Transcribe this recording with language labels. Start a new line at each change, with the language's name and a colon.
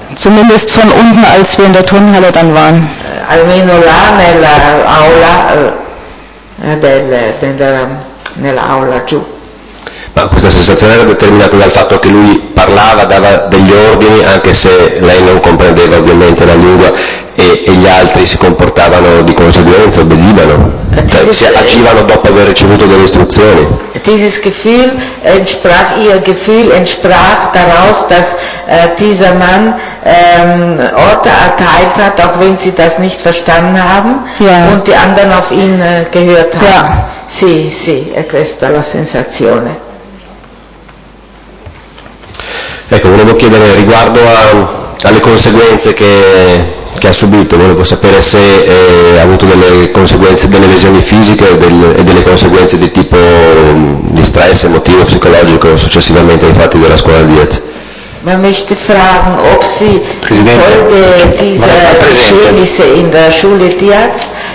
German: Zumindest von unten, als wir in der Turnhalle dann waren.
Italian: Almeno là nella aula nella aula giù. Ma questa sensazione era determinata dal fatto che lui parlava, dava degli ordini, anche se lei non comprendeva ovviamente la lingua, e gli altri si comportavano di conseguenza, obbedivano, si agivano dopo aver ricevuto delle istruzioni.
German: Dieses Gefühl entsprach, ihr Gefühl entsprach daraus, dass dieser Mann Orte erteilt hat, auch wenn sie das nicht verstanden haben, ja, und die anderen auf ihn gehört haben. Ja.
Italian: Sì, sì, è questa la sensazione. Ecco, volevo chiedere riguardo alle conseguenze che ha subito, volevo sapere se ha avuto delle conseguenze, delle lesioni fisiche e delle conseguenze di tipo di stress emotivo, psicologico successivamente ai fatti della scuola Diaz.
German: Man möchte fragen, ob Sie folge dieser Geschehnisse in der Schule Diaz